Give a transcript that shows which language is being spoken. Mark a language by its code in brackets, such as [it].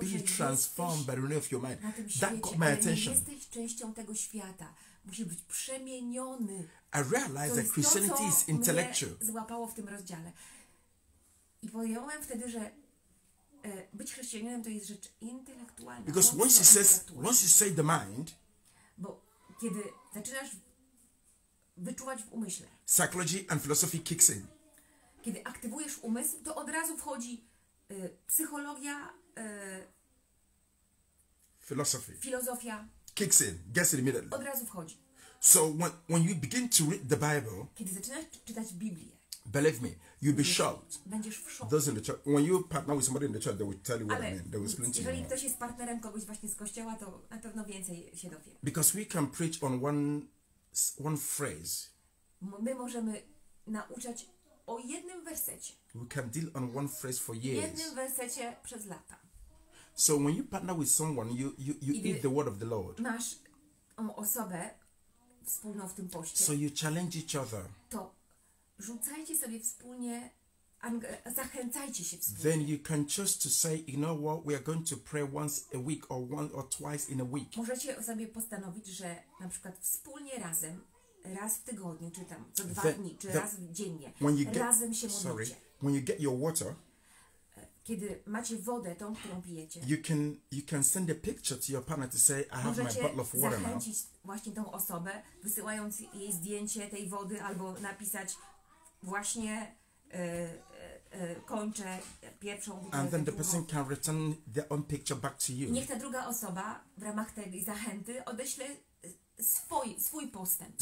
[en] Be transformed by the renewal of your mind. That caught my attention. [pl] Jesteś częścią tego świata. Musisz być przemieniony. [en] I realized that Christianity is intellectual. [pl] Złapało w tym rozdziale. I powiedziałem wtedy, że być chrześcijaninem to jest rzecz intelektualna. [en] Because once you say the mind, [pl] bo kiedy zaczynasz wyczuwać w umyśle, [en] psychology and philosophy kicks in. [pl] Kiedy aktywujesz umysł, to od razu wchodzi psychologia, [en] philosophy. [pl] Filozofia [en] kicks in, gets it immediately. [pl] Od razu wchodzi. [en] So when you begin to read the Bible, [pl] kiedy zaczynasz czytać Biblię, [en] believe me, you'll be shocked. [pl] Będziesz w szoku. [en] Those in the church, when you partner with somebody in the church, they will tell you what [pl] ale [en] I mean. They will explain to you. [pl] Jeżeli ktoś jest partnerem kogoś właśnie z kościoła, to na pewno więcej się dowie. [en] Because we can preach on one phrase. [pl] My możemy nauczać o jednym wersecie. [en] We can deal on one phrase for years. [pl] Jednym wersecie przez lata. [en] So when you partner with someone, you eat the word of the Lord. [pl] Masz osobę wspólną w tym poście. [en] So you challenge each other. [pl] To rzucajcie sobie wspólnie, zachęcajcie się wspólnie. [en] Then you can choose to say, you know what, we are going to pray once a week or once or twice in a week. [pl] Możecie sobie postanowić, że na przykład wspólnie razem, raz w tygodniu, czy tam co dwa dni, czy raz dziennie, razem się modlicie. [en] Sorry, when you get your water, [pl] kiedy macie wodę, tą, którą pijecie, [en] you can send a picture to your partner to say, I have my bottle of water now. [pl] Możecie zachęcić właśnie tą osobę, wysyłając jej zdjęcie tej wody, albo napisać, właśnie kończę pierwszą butelkę. [en] And then the person can return their own picture back to you. [pl] Niech ta druga osoba w ramach tej zachęty odeśle swój postęp.